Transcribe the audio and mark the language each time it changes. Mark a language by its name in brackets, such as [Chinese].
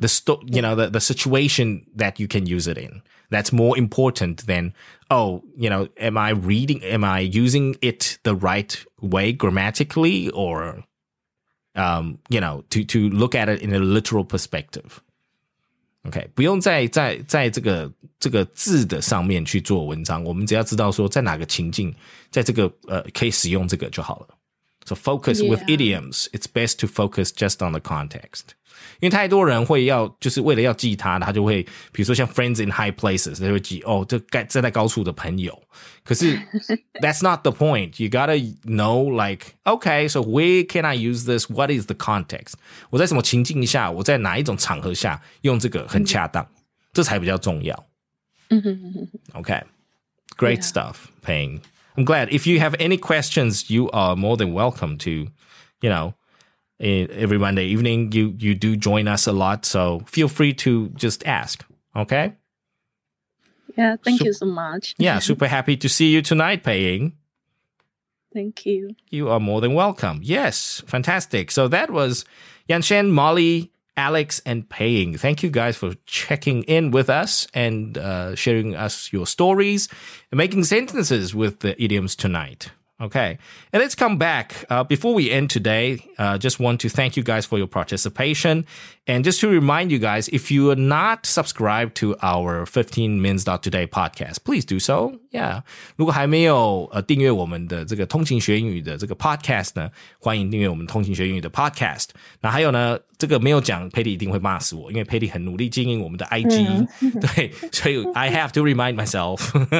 [English] The situation that you can use it in. That's more important than, oh, you know, am I using it the right way grammatically or, you know, to look at it in a literal perspective. [Chinese] Okay, 不用在这个字的上面去做文章，我们只要知道说在哪个情境，在这个可以使用这个就好了。 [English] So focus with idioms, it's best to focus just on the context. [Chinese] 因为太多人会要，就是为了要记他的，他就会，比如说像 [English] friends in high places， [Chinese] 他会记哦，这站在高处的朋友。可是 [English] that's not the point. You gotta know like, okay, so where can I use this? What is the context? [Chinese] 我在什么情境下，我在哪一种场合下用这个很恰当，这才比较重要。 [English] Okay, great stuff, Peng. I'm glad. If you have any questions, you are more than welcome to, you know. Every Monday evening, you do join us a lot, so feel free to just ask, okay? Yeah, thank you so much. Yeah, super happy to see you tonight, Peiying. Thank you. You are more than welcome. Yes, fantastic. So that was Yanshen, Molly, Alex, and Peiying. Thank you guys for checking in with us and sharing us your stories and making sentences with the idioms tonight. Okay, and let's come back. Before we end today, just want to thank you guys for your participation. And just to remind you guys, if you are not subscribed to our 15min.today podcast, please do so. Yeah. [Chinese] 如果还没有订阅我们的这个通勤学英语的这个 podcast 呢，欢迎订阅我们通勤学英语的 podcast. 那还有呢，这个没有讲 Patty 一定会骂死我，因为 Patty 很努力经营我们的 IG. 对，所以 [English] I have to remind myself.